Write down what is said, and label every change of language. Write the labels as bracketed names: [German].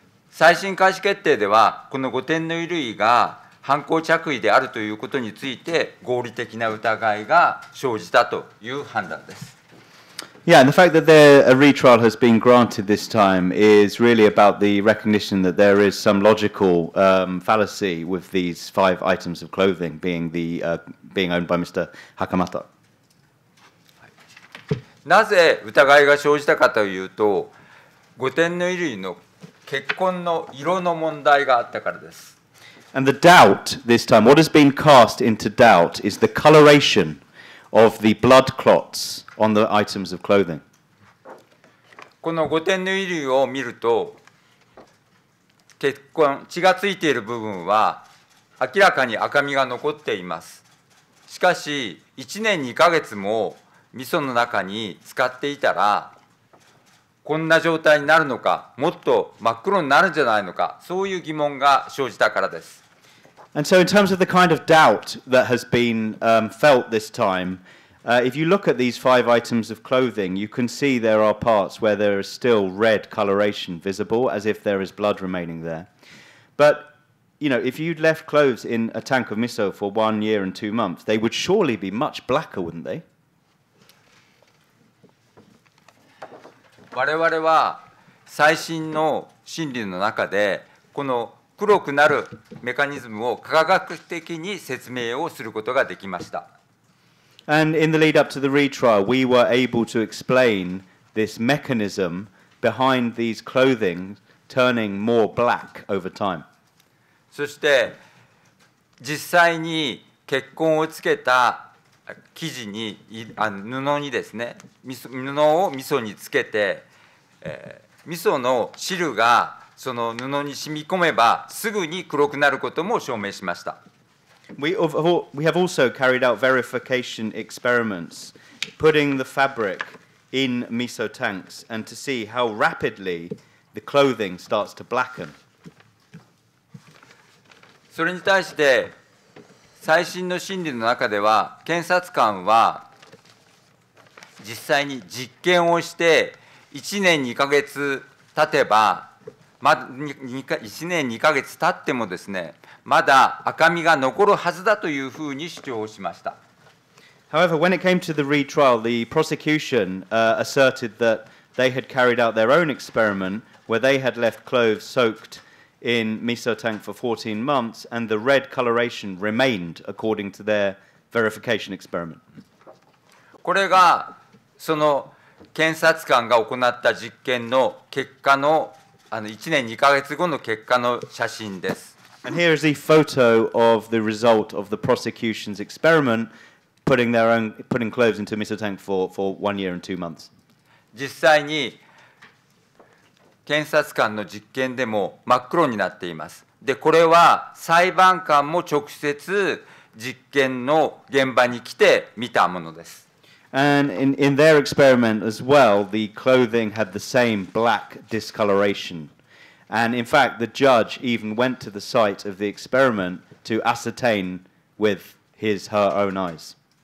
[Japanese] 再審開始決定ではこの5点の衣類が犯行着衣であるということについて合理的な疑いが生じたという判断です。 [English] Yeah, and the fact that there a retrial has been granted this time is really about the recognition that there is some logical fallacy with these five items of clothing being owned by Mr. Hakamata. [Japanese] なぜ疑いが生じたかというと5点の衣類の結婚の色の問題があったからです。 [English] And the doubt this time, what has been cast into doubt is the coloration of the blood clots on the items of clothing. [Japanese] この5点の衣類を見ると、血痕、血がついている部分は明らかに赤みが残っています。しかし、1年2ヶ月も味噌の中に使っていたら、こんな状態になるのか、もっと真っ黒になるんじゃないのか、そういう疑問が生じたからです。 [English] And so in terms of the kind of doubt that has been felt this time, if you look at these five items of clothing, you can see there are parts where there is still red coloration visible, as if there is blood remaining there. But, you know, if you'd left clothes in a tank of miso for 1 year and 2 months, they would surely be much blacker, wouldn't they? [Japanese] 我々は最新の審理の中でこの黒くなるメカニズムを科学的に説明をすることができました。 [English] And in the lead up to the retrial, we were able to explain this mechanism behind these clothing turning more black over time. [Japanese] そして実際に血痕をつけた生地に布にですね、布を味噌につけて味噌の汁がその布に染み込めばすぐに黒くなることも証明しました。 [English] We have also carried out verification experiments, putting the fabric in miso tanks and to see how rapidly the clothing starts to blacken. [Japanese] それに対して最新の審理の中では検察官は実際に実験をして1年2ヶ月経てばまだ1年2ヶ月経ってもですね、まだ赤みが残るはずだというふうに主張しました。 [English] However, when it came to the retrial, the prosecution, asserted that they had carried out their own experiment where they had left clothes soaked in miso tank for 14 months and the red coloration remained according to their verification experiment. [Japanese] これがその検察官が行った実験の結果の、あの1年2ヶ月後の結果の写真です。 [English] And here is a photo of the result of the prosecution's experiment, putting their own, putting clothes into miso tank for one year and two months. [Japanese] 実際に検察官の実験でも真っ黒になっています。で、これは裁判官も直接実験の現場に来て見たものです。 [English] And in their experiment as well, the clothing had the same black discoloration. And in fact, the judge even went to the site of the experiment to ascertain with his, her own eyes.